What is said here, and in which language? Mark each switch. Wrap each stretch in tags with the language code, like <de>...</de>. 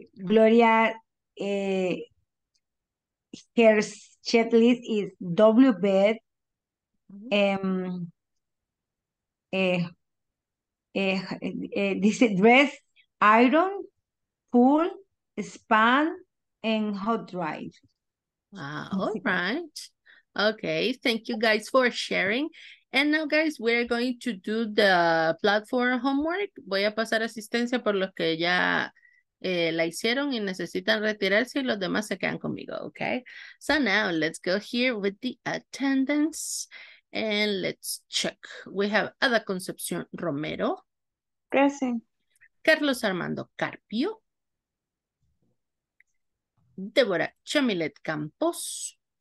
<en>Gloria, her checklist is double bed, this dress, iron, pool, spa, and hot drive. Wow, all right. Okay, thank you guys for sharing. And now, guys, we're going to do the platform homework.</en> <es>Voy a pasar asistencia por los que ya la hicieron y necesitan retirarse y los demás se quedan conmigo, okay?</es> <en>So now, let's go here with the attendance and let's check. We have Ada Concepción Romero. Present. Carlos Armando Carpio. Débora Chamilet Campos.</en>